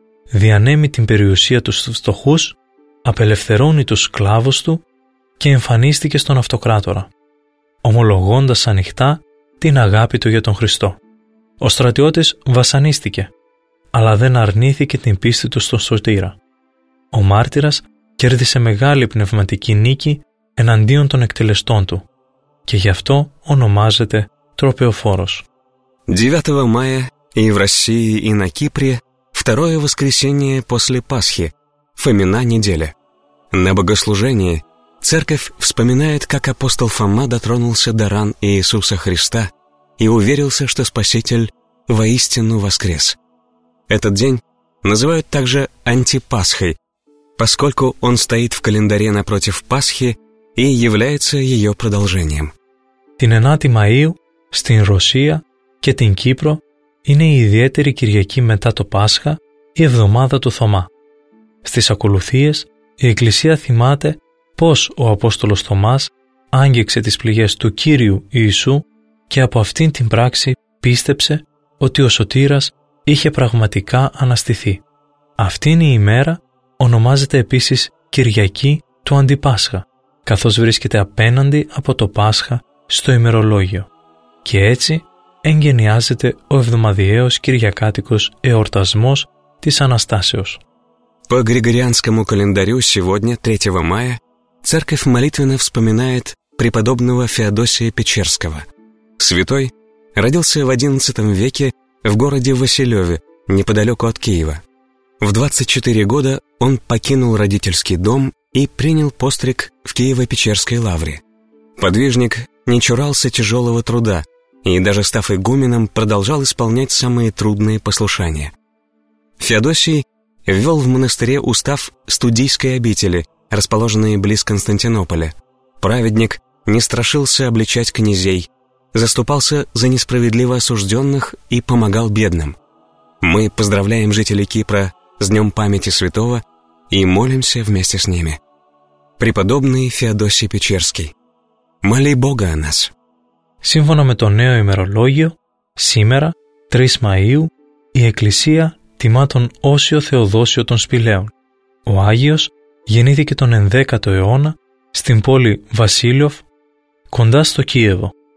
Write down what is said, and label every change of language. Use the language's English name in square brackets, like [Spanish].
[Greek] Διανέμει την περιουσία τους στους φτωχούς, απελευθερώνει τους σκλάβους του και εμφανίστηκε στον αυτοκράτορα, ομολογώντας ανοιχτά την αγάπη του για τον Χριστό. Ο στρατιώτης βασανίστηκε, αλλά δεν αρνήθηκε την πίστη του στον Σωτήρα. Ο μάρτυρας κέρδισε μεγάλη πνευματική νίκη εναντίον των εκτελεστών του και γι' αυτό ονομάζεται τροπεοφόρος. [Russian] 9 мая и в России, и на Кипре второе воскресенье после Пасхи, Фомина неделя. На богослужении церковь вспоминает, как апостол Фома дотронулся до ран Иисуса Христа и уверился, что Спаситель воистину воскрес. Этот день называют также антипасхой, поскольку он стоит в календаре напротив Пасхи и является ее продолжением. 9 мая [Greek] στην Ρωσία και την Κύπρο είναι η ιδιαίτερη Κυριακή μετά το Πάσχα, η εβδομάδα του Θωμά. Στις ακολουθίες, η Εκκλησία θυμάται πώς ο Απόστολος Θωμάς άγγιξε τις πληγές του Κύριου Ιησού και από αυτήν την πράξη πίστεψε ότι ο Σωτήρας είχε πραγματικά αναστηθεί. Αυτήν η ημέρα ονομάζεται επίσης Κυριακή του Αντιπάσχα, καθώς βρίσκεται απέναντι από το Πάσχα στο ημερολόγιο. Και έτσι εγγενιάζεται ο εβδομαδιαίος κυριακάτικος εορτασμός της Αναστάσεως. [Russian] По григорианскому календарю сегодня, 3 мая, церковь молитвенно вспоминает преподобного Феодосия Печерского. Святой родился в XI веке в городе Василеве, неподалеку от Киева. В 24 года он покинул родительский дом и принял постриг в Киево-Печерской лавре. Подвижник не чурался тяжелого труда и, даже став игуменом, продолжал исполнять самые трудные послушания. Феодосий ввел в монастыре устав студийской обители, расположенной близ Константинополя. Праведник не страшился обличать князей, заступался за несправедливо осужденных и помогал бедным. Мы поздравляем жителей Кипра с Днем памяти святого и молимся вместе с ними. Преподобный Феодосий Печерский, моли Бога о нас. [Greek] Σύμφωνα με το νέο ημερολόγιο, σήμερα, 3 Μαΐου, η Εκκλησία τιμά τον Όσιο Θεοδόσιο των Σπηλαίων. Ο Άγιος γεννήθηκε τον 11ο αιώνα στην πόλη Βασίλιοφ, κοντά στο Κίεβο.